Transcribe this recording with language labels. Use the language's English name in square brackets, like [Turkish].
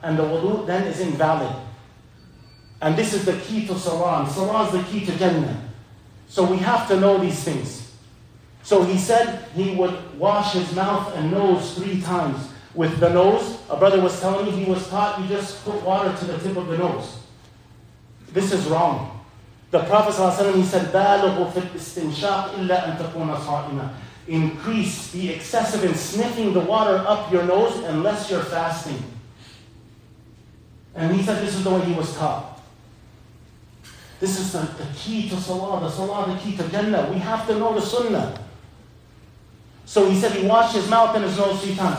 [English] And the wudu then is invalid. And this is the key to salah. Salah is the key to Jannah. So we have to know these things. So he said he would wash his mouth and nose 3 times. With the nose, a brother was telling me he was taught you just put water to the tip of the nose. This is wrong. The Prophet ﷺ, he said, [Arabic] بَالُغُ فِي الْإِسْتِنْشَاقِ إِلَّا أَن تَكُونَ صَائِمًا. [English] Increase, be excessive in sniffing the water up your nose unless you're fasting. And he said this is the way he was taught. This is the key to salah, the salah, the key to Jannah. We have to know the sunnah. So he said he washed his mouth and his nose 3 times.